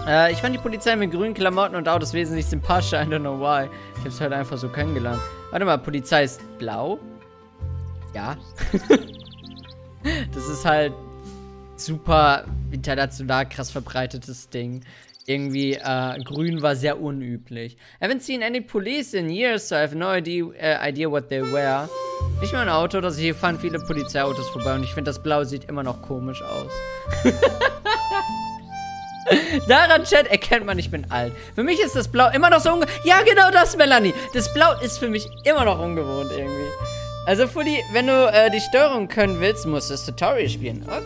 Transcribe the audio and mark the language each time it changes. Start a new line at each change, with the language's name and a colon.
German: Ich fand die Polizei mit grünen Klamotten und Autos wesentlich sympathischer.
English: I don't know why.
German: Ich habe es heute einfach so kennengelernt. Warte mal, Polizei ist blau? Ja. Das ist halt super international krass verbreitetes Ding. Irgendwie, grün war sehr unüblich.
English: Haven't seen any police in years, so I have no idea what they wear.
German: Nicht mal ein Auto, also hier fahren viele Polizeiautos vorbei und ich finde, das Blau sieht immer noch komisch aus. Daran, Chat, erkennt man, ich bin alt. Für mich ist das Blau immer noch so ungewohnt. Ja, genau das, Melanie. Das Blau ist für mich immer noch ungewohnt irgendwie. Also, Fully, wenn du die Steuerung können willst, musst du das Tutorial spielen.